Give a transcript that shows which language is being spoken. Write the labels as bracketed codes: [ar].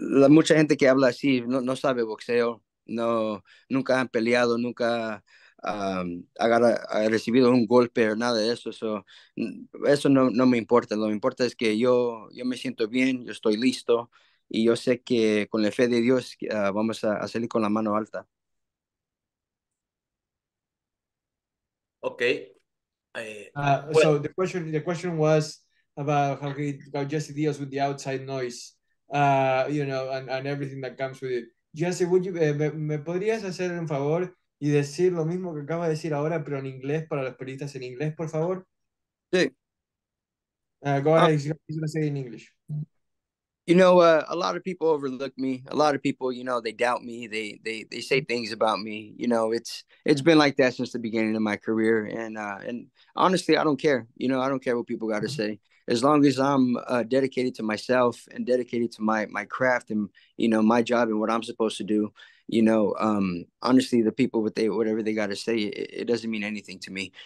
[es] Mucha gente que habla así no sabe boxeo, no, nunca han peleado, nunca ha recibido un golpe o nada de eso, eso no me importa. Lo que me importa es que yo me siento bien, yo estoy listo. Y yo sé que con la fe de Dios vamos a salir con la mano alta. [en] Okay. So the question was about how Jesse deals with the outside noise, and everything that comes with it. [es] Jesse, ¿me podrías hacer un favor y decir lo mismo que acaba de decir ahora, pero en inglés para los periodistas en inglés, por favor? Sí. [en] Go ahead. He's gonna say in English. You know, a lot of people overlook me. A lot of people, you know, they doubt me. They say things about me. You know, it's been like that since the beginning of my career. And honestly, I don't care. You know, I don't care what people got to say. As long as I'm dedicated to myself and dedicated to my craft and, you know, my job and what I'm supposed to do, you know, honestly, the people, whatever they got to say, it doesn't mean anything to me.